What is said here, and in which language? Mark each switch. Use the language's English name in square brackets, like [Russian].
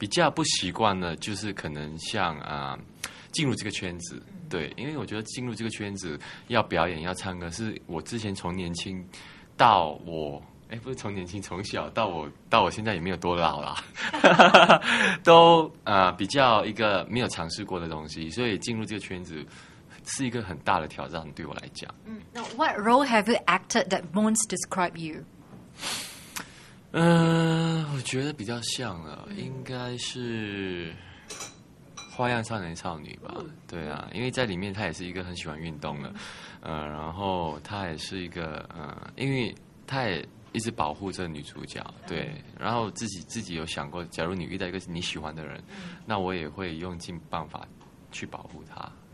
[Chinese] 不习惯的就是可能像进入这个圈子，对，因为我觉得进入这个圈子要表演要唱歌是我之前从年轻到我不是从年轻从小到我现在也没有多老啦都比较一个没有尝试过的东西，所以进入这个圈子是一个很大的挑战对我来讲。 [English] 嗯、Now, what role have you acted that most describe you? [Chinese] 我觉得比较像了，应该是花样少年少女吧。对啊，因为在里面他也是一个很喜欢运动的，然后他也是一个因为他也一直保护这个女主角，对，然后自己有想过，假如你遇到一个你喜欢的人，那我也会用尽办法去保护他。